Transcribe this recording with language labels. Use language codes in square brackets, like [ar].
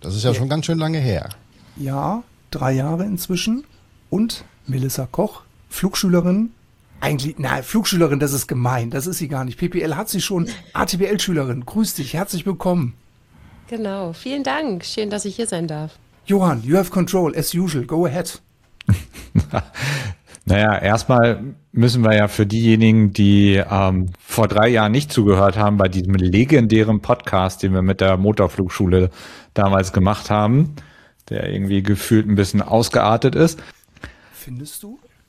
[de] Das ist ja schon ganz schön lange her. Ja, 3 Jahre inzwischen. Und Melissa Koch, Flugschülerin. Eigentlich, nein, Flugschülerin, das ist gemein, das ist sie gar nicht. PPL hat sie schon, ATPL-Schülerin, grüß dich, herzlich willkommen. Genau, vielen Dank, schön, dass ich hier sein darf. [en] Johann, you have control, as usual, go ahead. [de] Naja, erstmal müssen wir ja für diejenigen, die vor 3 Jahren nicht zugehört haben, bei diesem legendären Podcast, den wir mit der Motorflugschule damals gemacht haben, der irgendwie gefühlt ein bisschen ausgeartet ist. Findest du?